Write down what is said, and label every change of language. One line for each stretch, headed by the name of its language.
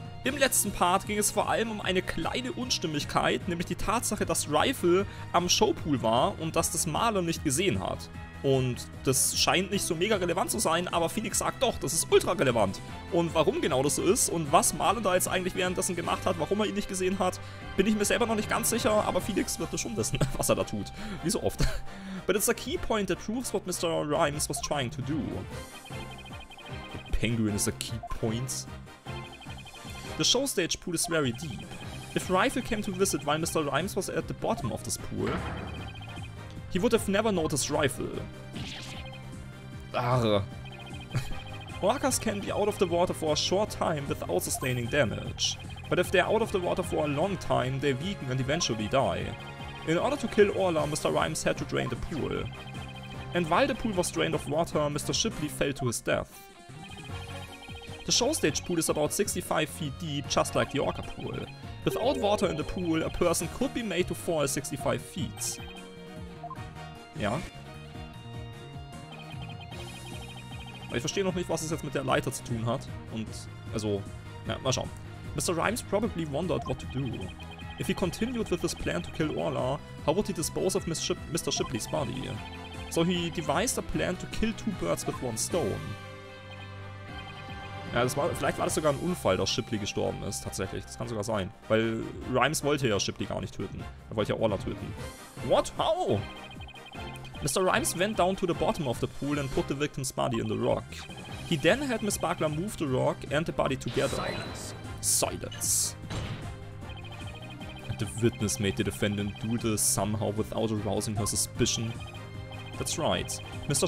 German: Im letzten Part ging es vor allem um eine kleine Unstimmigkeit, nämlich die Tatsache, dass Rifle am Showpool war und dass das Marlon nicht gesehen hat. Und das scheint nicht so mega relevant zu sein, aber Phoenix sagt doch, das ist ultra relevant. Und warum genau das so ist und was Marlon da jetzt eigentlich währenddessen gemacht hat, warum er ihn nicht gesehen hat, bin ich mir selber noch nicht ganz sicher, aber Phoenix wird das schon wissen, was er da tut. Wie so oft.
English: But it's a key point that proves what Mr. Rhymes was trying to do. The penguin is a key point. The show stage pool is very deep. If Rifle came to visit while Mr. Rhymes was at the bottom of this pool, he would have never noticed Rifle. Arr. Workers can be out of the water for a short time without sustaining damage. But if they're out of the water for a long time, they weaken and eventually die. In order to kill Orla, Mr. Rhymes had to drain the pool. And while the pool was drained of water, Mr. Shipley fell to his death. The show stage pool is about 65 feet deep, just like the Orca pool. Without water in the pool, a person could be made to fall 65 feet.
German: Ja. Aber ich verstehe noch nicht, was es jetzt mit der Leiter zu tun hat. Und, also, ja, mal schauen.
English: Mr. Rhymes probably wondered what to do. If he continued with his plan to kill Orla, how would he dispose of Mr. Shipley's body? So he devised a plan to kill two birds with one stone.
German: Ja, das war, vielleicht war das sogar ein Unfall, dass Shipley gestorben ist, tatsächlich. Das kann sogar sein. Weil Rhymes wollte ja Shipley gar nicht töten. Er wollte ja Orla töten.
English: What? How? Mr. Rhymes went down to the bottom of the pool and put the victim's body in the rock. He then had Miss Buckler move the rock and the body together. Silence. Silence. And the witness made the defendant do this somehow without arousing her suspicion. That's right. Mr.